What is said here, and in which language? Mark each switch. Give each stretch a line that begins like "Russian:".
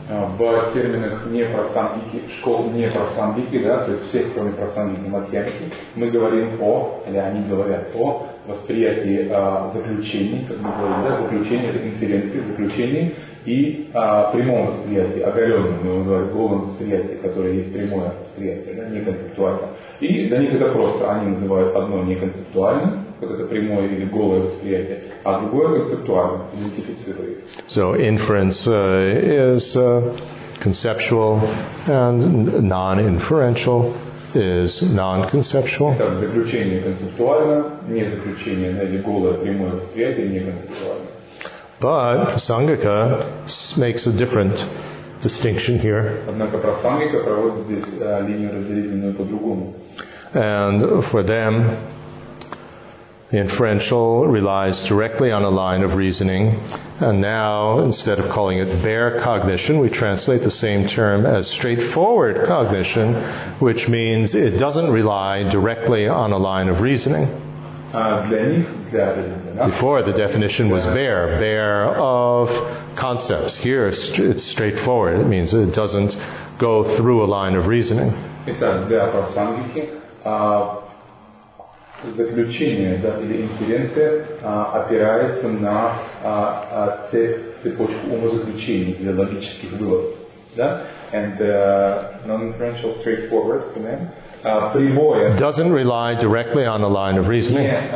Russian: В терминах не прасангики, школ не прасангики, да, то есть всех, кроме прасангики, матьянки, мы говорим о, или они говорят о восприятии заключений, как мы говорим, да, заключения, это инференции, заключений, и прямом восприятии, оголенном, мы называем голым восприятием, которое есть прямое восприятие, да, неконцептуальное. И для них это просто, они называют одно неконцептуальным, вот это прямое или голое восприятие, а другое концептуальное, идентифицируемое.
English: So inference is conceptual, and non-inferential is non-conceptual.
Russian: Это заключение концептуальное, не заключение, да, или голое прямое восприятие неконцептуальное.
English: But prasangika makes a different distinction here.
Russian: Однако прасангика проводит здесь линию разделительную по-другому.
English: And for them, inferential relies directly on a line of reasoning. And now, instead of calling it bare cognition, we translate the same term as straightforward cognition, which means it doesn't rely directly on a line of reasoning. Before, the definition was bare of concepts. Here, it's straightforward. It means it doesn't go through a line of reasoning.
Russian: Итак, для прасангики заключение, да, или инференция опирается на цепочку умозаключений для логических выводов.
English: Да? And non-inferential, straightforward, for them. Doesn't rely directly on the line of reasoning.